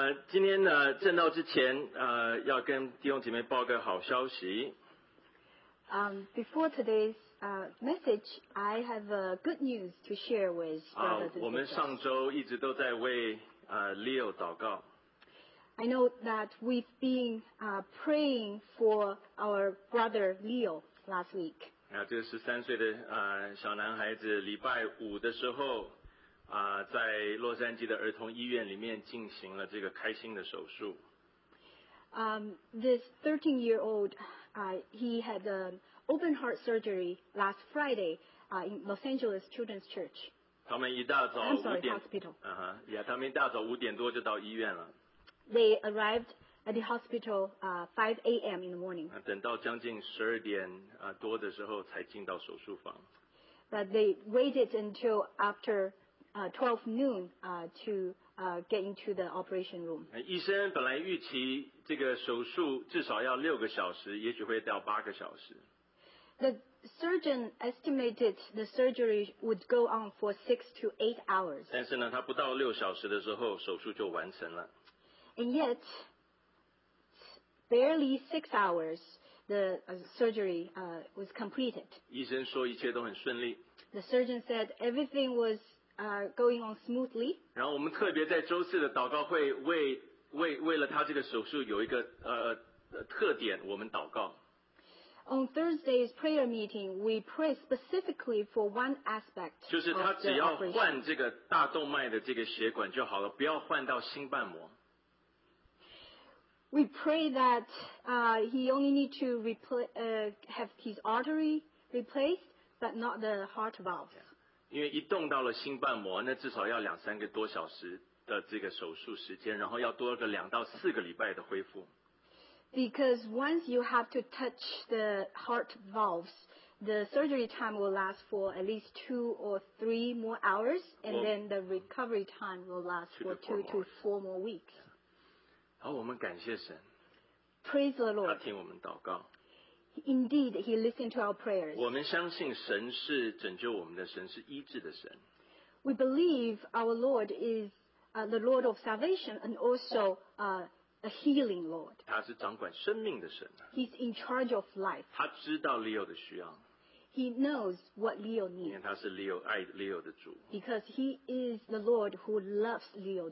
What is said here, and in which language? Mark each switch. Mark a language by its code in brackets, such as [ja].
[zh] 今天呢，正道之前，要跟弟兄姐妹报个好消息。 [en] Before today's message, I have a good news to share with brothers and sisters. [zh] 我们上周一直都在为Leo 祷告。 [en] I know that we've been praying for our brother Leo last week. [zh] 这个13岁的小男孩子礼拜五的时候在洛杉矶的儿童医院里面进行了这个开心的手术。 [en] This 13-year-old, he had an open heart surgery last Friday in Los Angeles Children's Church. [zh] 他们一大早五点 [en] I'm sorry, hospital. [zh] 他们一大早五点多就到医院了。 [en] They arrived at the hospital 5 a.m. in the morning. [zh] 等到将近12点多的时候才进到手术房。 [en] But they waited until after 12 noon get into the operation room. [zh] 医生本来预期这个手术至少要6个小时，也许会到8个小时。 [en] The surgeon estimated the surgery would go on for 6 to 8 hours. [zh] 但是呢，他不到6小时的时候，手术就完成了。 [en] And yet, barely 6 hours, the surgery was completed. [zh] 医生说一切都很顺利。 [en] The surgeon said everything was going on smoothly. [zh] 然后我们特别在周四的祷告会为了他这个手术有一个特点，我们祷告。 [en] On Thursday's prayer meeting, we pray specifically for one aspect. [zh] 就是他只要换这个大动脉的这个血管就好了，不要换到心瓣膜。 [en] We pray that he only need to have his artery replaced, but not the heart valves. Yeah. [zh] 因为一动到了心瓣膜，那至少要两三个多小时的这个手术时间，然后要多个两到四个礼拜的恢复。 [en] Because once you have to touch the heart valves, the surgery time will last for at least 2 or 3 more hours, and then the recovery time will last for 2 to 4 more weeks. Yeah. [zh] 好，我们感谢神。 [en] Praise the Lord. [zh] 他听我们祷告。 [en] Indeed, he listened to our prayers. [zh] 我们相信神是拯救我们的神，是医治的神。 [en] We believe our Lord is the Lord of salvation and also a healing Lord. [zh] 他是掌管生命的神。 [en] He's in charge of life. [zh] 他知道 Leo 的需要。 [en] He knows what Leo needs. [zh] 因为他是 Leo, 爱 Leo 的主。 [en] Because he is the Lord who loves Leo.